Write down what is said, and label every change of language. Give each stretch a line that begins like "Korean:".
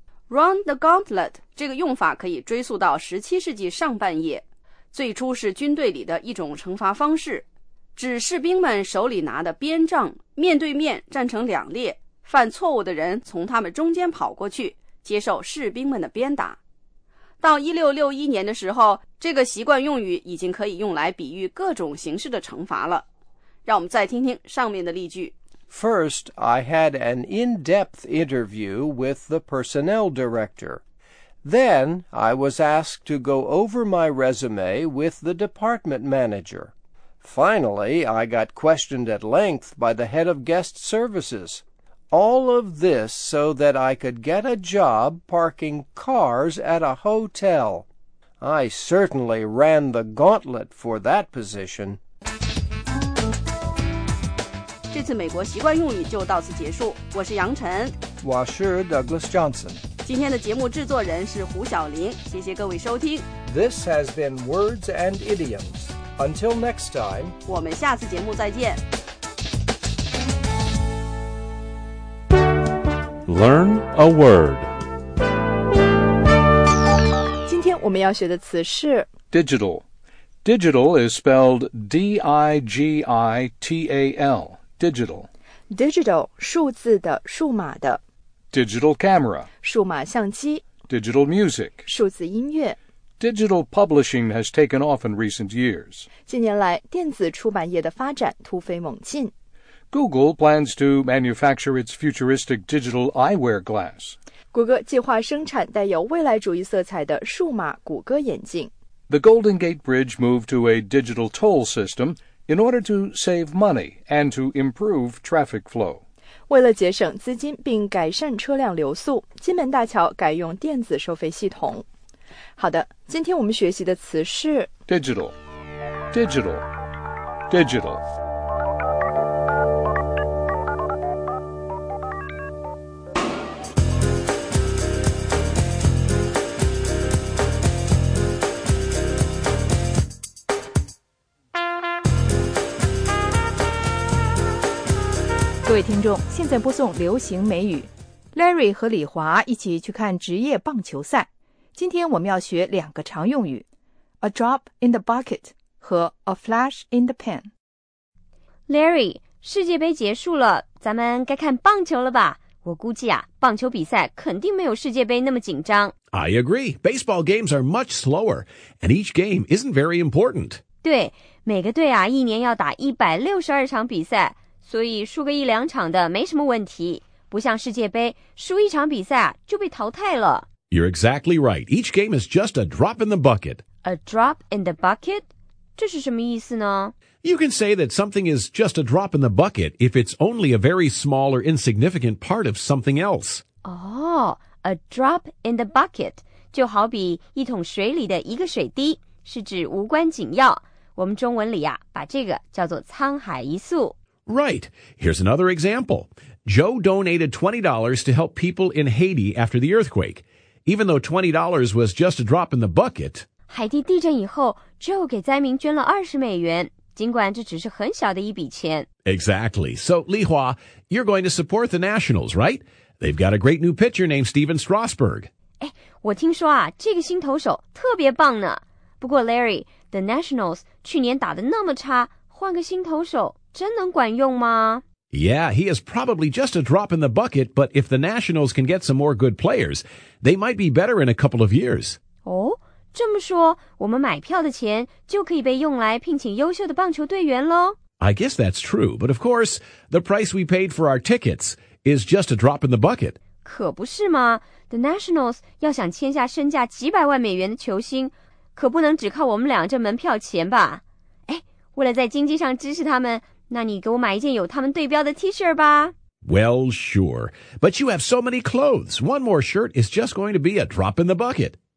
English: Run the gauntlet
Chinese: 这个用法可以追溯到17世纪上半叶，最初是军队里的一种惩罚方式，指士兵们手里拿的鞭杖，面对面站成两列，犯错误的人从他们中间跑过去，接受士兵们的鞭打。到1661年的时候，这个习惯用语已经可以用来比喻各种形式的惩罚了。让我们再听听上面的例句。
English: First, I had an in-depth interview with the personnel director. Then, I was asked to go over my resume with the department manager. Finally, I got questioned at length by the head of guest services. All of this so that I could get a job parking cars at a hotel. I certainly ran the gauntlet for that position.
Chinese: 这次美国习惯用语就到此结束。我是杨晨，我是 Douglas Johnson。今天的节目制作人是胡晓玲，谢谢各位收听。
English: This has been Words and Idioms. Until next time,
Chinese: 我们下次节目再见。
English: Learn a word.
Chinese: 今天我们要学的词是
English: digital. Digital is spelled D-I-G-I-T-A-L. Digital.
Chinese: Digital, 数字的、数码的。
English: Digital camera,
Chinese: 数码相机。
English: Digital music,
Chinese: 数字音乐。
English: Digital publishing has taken off in recent years.
Chinese: 近年来，电子出版业的发展突飞猛进。
English: Google plans to manufacture its futuristic digital eyewear glass.
Chinese: 谷歌计划生产带有未来主义色彩的数码谷歌眼镜。
English: The Golden Gate Bridge moved to a digital toll system,in order to save money and to improve traffic flow.
Chinese: 为了节省资金并改善车辆流速，金门大桥改用电子收费系统。好的，今天我们学习的词是
English: digital, digital, digital.
Chinese: 各位听众，现在播送流行美语。Larry 和李华一起去看职业棒球赛。今天我们要学两个常用语，
English: A drop in the bucket
Chinese: 和
English: A flash in the pan。
Chinese: Larry， 世界杯结束了，咱们该看棒球了吧？我估计啊，棒球比赛肯定没有世界杯那么紧张。
English: I agree. Baseball games are much slower and each game isn't very important.
Chinese: 对，每个队啊，一年要打162场比赛，所以输个一两场的没什么问题，不像世界杯，输一场比赛就被淘汰了。
English: You're exactly right. Each game is just a drop in the bucket. A drop in the bucket?
Chinese: 这是什么意思呢？
English: You can say that something is just a drop in the bucket if it's only a very small or insignificant part of something else. Oh, a drop in the bucket.
Chinese: 就好比一桶水里的一个水滴，是指无关紧要。我们中文里啊，把这个叫做沧海一粟。
English: Right. Here's another example. Joe donated $20 to help people in Haiti after the earthquake. Even though $20 was just a drop in the bucket.
Chinese: 海地地震以后 ,Joe 给灾民捐了$20,尽管这只是很小的一笔钱。
English: Exactly. So, Li Hua, you're going to support the Nationals, right? They've got a great new pitcher named Steven Strasburg.
Chinese: 哎，我听说啊，这个新投手特别棒呢。不过 Larry, the Nationals 去年打得那么差，换个新投手真能管用吗？
English: Yeah, he is probably just a drop in the bucket, but if the Nationals can get some more good players, they might be better in a couple of years.
Chinese: 哦，这么说，我们买票的钱就可以被用来聘请优秀的棒球队员咯？
English: I guess that's true, but of course, the price we paid for our tickets is just a drop in the bucket.
Chinese: 可不是吗？ The Nationals 要想签下身价几百万美元的球星，可不能只靠我们俩这门票钱吧？哎，为了在经济上支持他们，那你给我买一件有他们对标的 T 恤吧。
English: Well, sure. But you have so many clothes. One more shirt is just going to be a drop in the bucket.